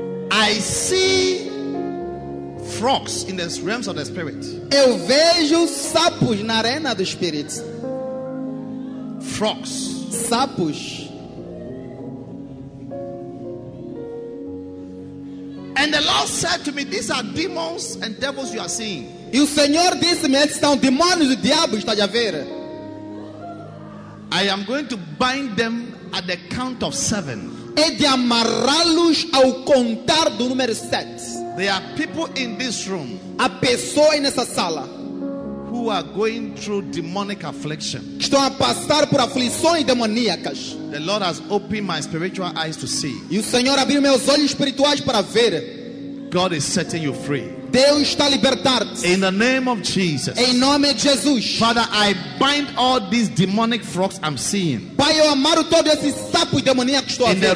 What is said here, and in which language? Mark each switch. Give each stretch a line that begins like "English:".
English: I see frogs in the realms of the spirit.
Portuguese: Eu vejo sapos na arena do espírito.
English: Frogs.
Portuguese: Sapos.
English: And the Lord said to me, "These are demons and devils you are seeing."
Portuguese: E o Senhor disse-me, "Estes são demônios e diabos está a ver."
English: I am going to bind them at the count of 7.
Portuguese: É de amarrá-los ao contar do número 7.
English: There are people in this room.
Portuguese: Há pessoas nessa sala.
English: Who are going through demonic affliction.
Portuguese: Estão a passar por aflições demoníacas.
English: The Lord has opened my spiritual eyes to see.
Portuguese: E o Senhor abriu meus olhos espirituais para ver.
English: God is setting you free.
Portuguese: Deus está libertando-te.
English: In the name of Jesus.
Portuguese: Em nome de Jesus.
English: Father, I bind all these demonic frogs I'm seeing.
Portuguese: Pai, eu amarro todos esses sapos demoníacos que estou a ver.